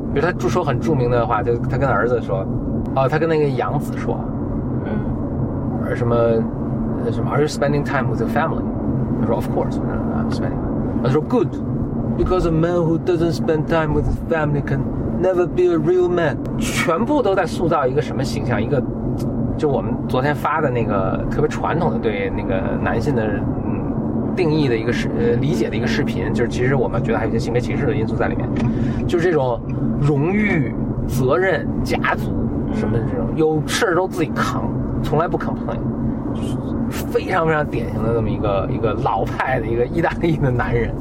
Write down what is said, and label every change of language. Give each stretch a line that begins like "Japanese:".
Chinese: 比如他著说很著名的话，就他跟儿子说，他跟那个养子说，什么
English: are you spending time with your family？
Chinese: 他说
English: of course， 他说 good because a man who doesn't spend time with his family can never be a real man。
Chinese: 全部都在塑造一个什么形象，一个就我们昨天发的那个特别传统的对那个男性的定义的一个理解的一个视频，就是其实我们觉得还有一些性别歧视的因素在里面，就是这种荣誉责任家族什么的，这种有事都自己扛，从来不 complain， 非常非常典型的这么一个老派的一个意大利的男人，